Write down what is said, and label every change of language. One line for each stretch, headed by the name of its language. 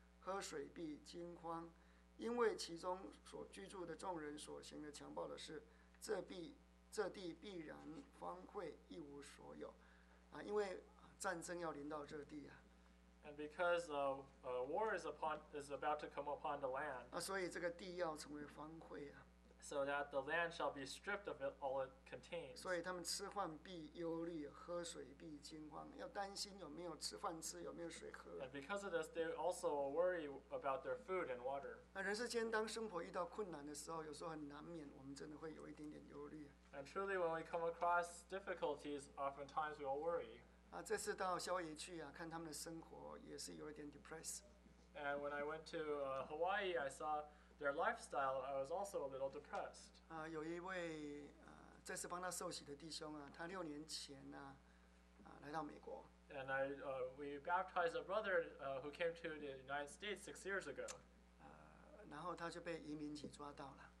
Chinese: 喝水必惊慌，因为其中所居住的众人所行的强暴的事，这地必然荒废，一无所有，因为战争要临到这地啊。
English: And because war is about to come upon the land.
Chinese: 所以这个地要成为荒废啊。
English: So that the land shall be stripped of it all it contains.
Chinese: 所以他们吃饭必忧虑，喝水必惊慌，要担心有没有吃饭吃，有没有水喝。
English: And because of this, they also worry about their food and water.
Chinese: 人世间当生活遇到困难的时候，有时候很难免，我们真的会有一点点忧虑。
English: And truly, when we come across difficulties, oftentimes we all worry.
Chinese: 这次到夏威夷去啊，看他们的生活也是有一点 depressed.
English: And when I went to Hawaii, I saw. Their lifestyle, I was also a little depressed.
Chinese: 有一位这次帮他受洗的弟兄他六年前来到美国。
English: And we baptized a brother who came to the United States 6 years ago.
Chinese: 然后他就被移民局抓到了。